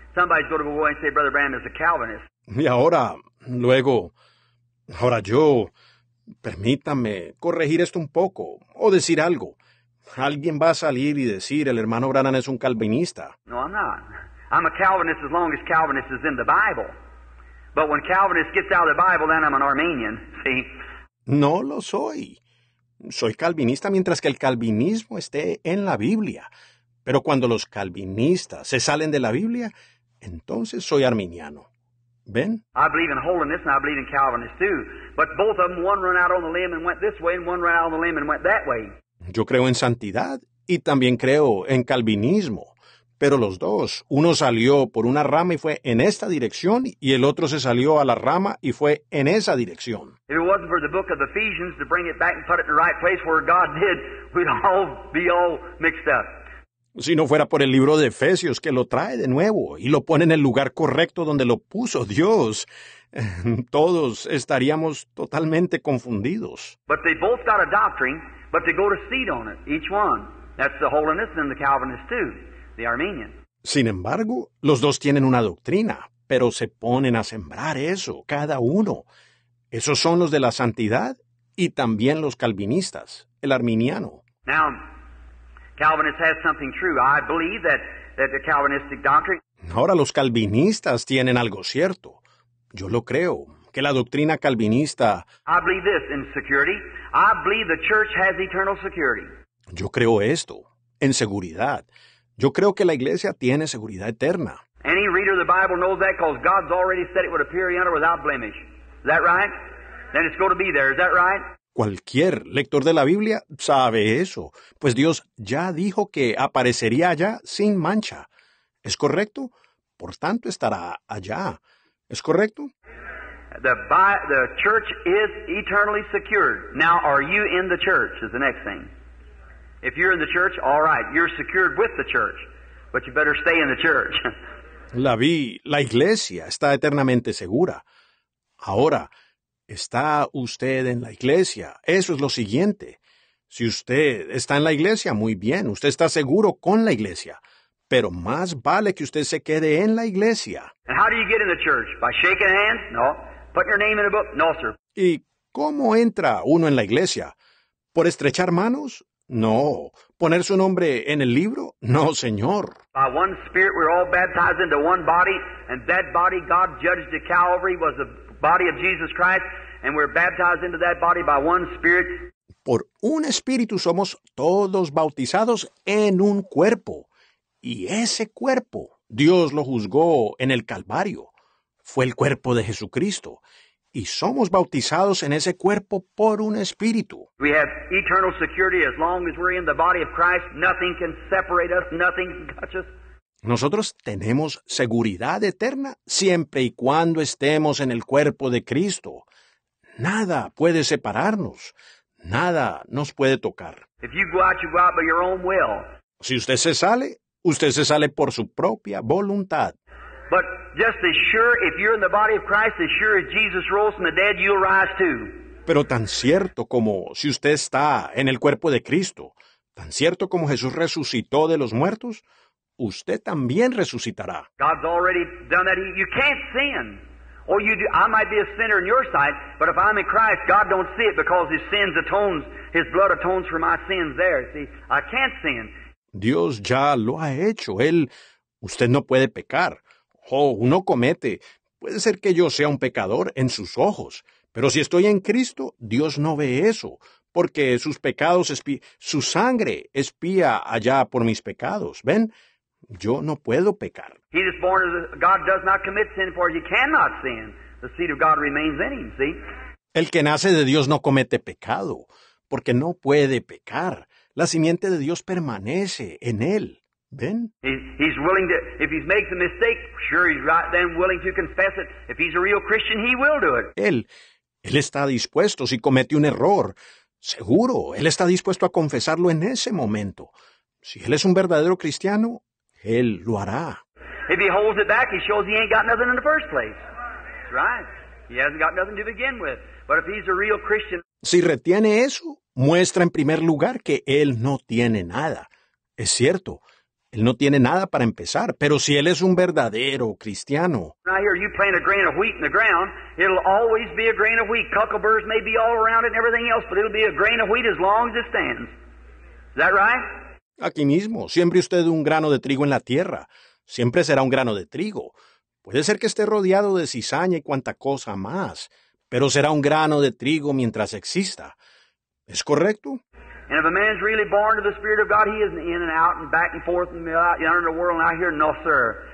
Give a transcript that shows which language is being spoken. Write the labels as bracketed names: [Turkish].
[English] Somebody's going to go and say Brother Branham is a Calvinist. [Spanish] Y ahora, luego, ahora yo, permítame corregir esto un poco o decir algo. Alguien va a salir y decir el hermano Branham es un calvinista. [English] No, I'm not. I'm a Calvinist as long as Calvinist is in the Bible. But when Calvinist gets out of the Bible, then I'm an Arminian, see? [Spanish] No lo soy. Soy calvinista mientras que el calvinismo esté en la Biblia. Pero cuando los calvinistas se salen de la Biblia, entonces soy arminiano. ¿Ven? [English] I believe in holiness and I believe in Calvinists too. But both of them, one ran out on the limb and went this way and one ran out on the limb and went that way. [Spanish] Yo creo en santidad y también creo en calvinismo. Pero los dos, uno salió por una rama y fue en esta dirección, y el otro se salió a la rama y fue en esa dirección. [English] If it wasn't for the book of Ephesians to bring it back and put it in the right place where God did, we'd all be all mixed up. [Spanish] Si no fuera por el libro de Efesios que lo trae de nuevo y lo pone en el lugar correcto donde lo puso Dios, todos estaríamos totalmente confundidos. [English] But they both got a doctrine, but they go to seed on it, each one. That's the holiness and the Calvinist too. The Armenian. [Spanish] Sin embargo, los dos tienen una doctrina, pero se ponen a sembrar eso, cada uno. Esos son los de la santidad y también los calvinistas, el arminiano. [English] Now, Calvinists have something true. I believe that the Calvinistic doctrine. [Spanish] Ahora los calvinistas tienen algo cierto. Yo lo creo, que la doctrina calvinista. [English] I believe this in security. I believe the church has eternal security. [Spanish] Yo creo esto en seguridad. Yo creo que la iglesia tiene seguridad eterna. [English] Any reader of the Bible knows that because God's already said it would appear yonder without blemish. Is that right? Then it's going to be there. Is that right? [Spanish] Cualquier lector de la Biblia sabe eso, pues Dios ya dijo que aparecería allá sin mancha. ¿Es correcto? Por tanto, estará allá. ¿Es correcto? [English] The church is eternally secured. Now, are you in the church? Is the next thing. If you're in the church, all right, you're secured with the church, but you better stay in the church. [Spanish] La iglesia está eternamente segura. Ahora, está usted en la iglesia. Eso es lo siguiente. Si usted está en la iglesia, muy bien, usted está seguro con la iglesia. Pero más vale que usted se quede en la iglesia. [English] And how do you get in the church? By shaking hands? No. Put your name in a book? No, sir. [Spanish] ¿Y cómo entra uno en la iglesia? ¿Por estrechar manos? No. ¿Poner su nombre en el libro? No, señor. [English] By one spirit we're all baptized into one body, and that body God judged at Calvary was the body of Jesus Christ, and we're baptized into that body by one spirit. [Spanish] Por un espíritu somos todos bautizados en un cuerpo, Y ese cuerpo, Dios lo juzgó en el Calvario. Fue el cuerpo de Jesucristo. Y somos bautizados en ese cuerpo por un espíritu. [English] We have eternal security as long as we're in the body of Christ. Nothing can separate us. Nothing can touch us. [Spanish] Nosotros tenemos seguridad eterna siempre y cuando estemos en el cuerpo de Cristo. Nada puede separarnos. Nada nos puede tocar. [English] If you go out, you go out by your own will. [Spanish] Si usted se sale, usted se sale por su propia voluntad. [English] But just as sure, if you're in the body of Christ, as sure as Jesus rose from the dead, you'll rise too. [Spanish] Pero tan cierto como si usted está en el cuerpo de Cristo, tan cierto como Jesús resucitó de los muertos, usted también resucitará. [English] God's already done that. You can't sin. Or you do, I might be a sinner in your sight, but if I'm in Christ, God don't see it because His sins atones, His blood atones for my sins there. See, I can't sin. [Spanish] Dios ya lo ha hecho. Él, usted no puede pecar. Oh, uno comete. Puede ser que yo sea un pecador en sus ojos. Pero si estoy en Cristo, Dios no ve eso. Porque sus pecados, su sangre espía allá por mis pecados. ¿Ven? Yo no puedo pecar. [English] He is born as a, God does not commit sin, for he cannot sin. The seed of God remains in him, see? [Spanish] El que nace de Dios no comete pecado, porque no puede pecar. La simiente de Dios permanece en él. ¿Ven? [English] He's willing to, if he makes a mistake, sure he's right then willing to confess it. If he's a real Christian, he will do it. [Spanish] Él está dispuesto si comete un error. Seguro, él está dispuesto a confesarlo en ese momento. Si él es un verdadero cristiano, él lo hará. [English] If he holds it back, he shows he ain't got nothing in the first place. That's right. He hasn't got nothing to begin with. But if he's a real Christian. [Spanish] Si retiene eso, muestra en primer lugar que él no tiene nada. Es cierto. Él no tiene nada para empezar, pero si él es un verdadero cristiano. [English] Right here, you plant a grain of wheat in the ground, it'll always be a grain of wheat. Cuckleburrs may be all around it and everything else, but it'll be a grain of wheat as long as it stands. Is that right? [Spanish] Aquí mismo, siempre usted un grano de trigo en la tierra. Siempre será un grano de trigo. Puede ser que esté rodeado de cizaña y cuanta cosa más, pero será un grano de trigo mientras exista. ¿Es correcto? [English] And if a man's really born of the Spirit of God, he isn't in and out and back and forth and out yonder in the world and out here, no, sir.